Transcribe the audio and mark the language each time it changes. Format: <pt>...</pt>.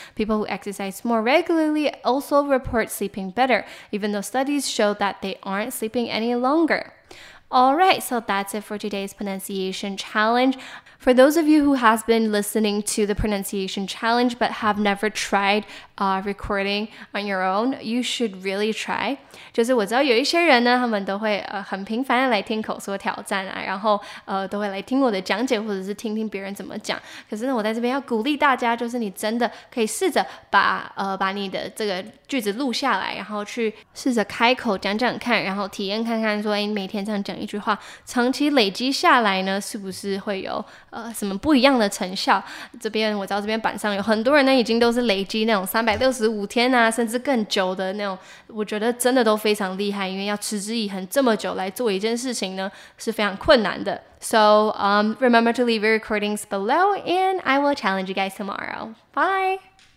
<en>People who exercise more regularly also report sleeping better, even though studies show that they aren't sleeping any longer. Alright, so that's it for today's pronunciation challenge. For those of you who have been listening to the pronunciation challenge but have never tried recording on your own, you should really try.</en> <zh>就是我知道有一些人呢，他们都会很频繁的来听口说挑战啊，然后都会来听我的讲解或者是听听别人怎么讲。可是呢，我在这边要鼓励大家，就是你真的可以试着把你的这个句子录下来，然后去试着开口讲讲看，然后体验看看说，哎，每天这样讲一句话，长期累积下来呢，是不是会有什么不一样的成效。这边我知道这边板上有很多人呢已经都是累积那种365天啊甚至更久的那种，我觉得真的都非常厉害，因为要持之以恒这么久来做一件事情呢是非常困难的。</zh> <en>So remember to leave your recordings below and I will challenge you guys tomorrow. Bye.</en>